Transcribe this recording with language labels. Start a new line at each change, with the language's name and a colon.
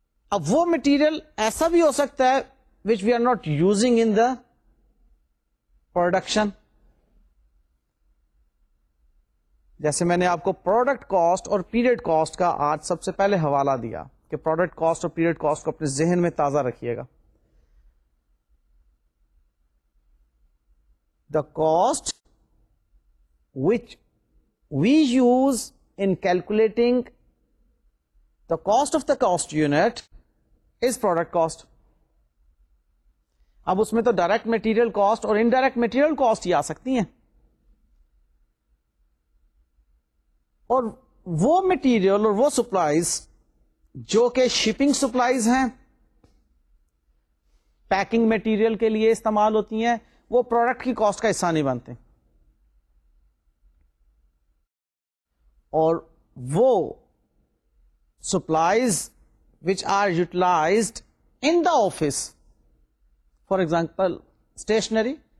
Urdu: اب وہ مٹیریل ایسا بھی ہو سکتا ہے
English: which we are not using in the production,
Urdu: جیسے میں نے آپ کو پروڈکٹ کاسٹ اور پیریڈ کاسٹ کا آج سب سے پہلے حوالہ دیا کہ پروڈکٹ کاسٹ اور پیریڈ کاسٹ کو اپنے ذہن میں تازہ رکھیے گا.
English: The cost which we use in calculating the cost of the cost unit is product cost.
Urdu: اب اس میں تو ڈائریکٹ مٹیریل کاسٹ اور انڈائریکٹ مٹیریل کاسٹ ہی آ سکتی ہیں, اور وہ مٹیریل اور وہ سپلائز جو کہ شپنگ سپلائز ہیں پیکنگ مٹیریل کے لیے استعمال ہوتی ہیں, وہ پروڈکٹ کی کاسٹ کا حصہ نہیں بنتے, اور وہ supplies
English: which are utilised in the office for example stationery,